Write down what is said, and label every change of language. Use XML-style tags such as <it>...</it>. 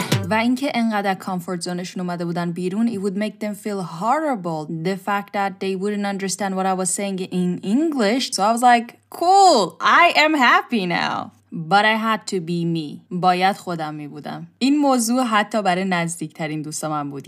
<fa>و اینکه انقدر کامفورت زونشون اومده بودن بیرون،</fa> <en>it would make them feel horrible. The fact that they wouldn't understand what I was saying in English. So I was like, cool, I am happy now. But I had to be me.</en> <fa>باید خودم می بودم. این موضوع حتی برای نزدیکترین دوستم هم بود.</fa>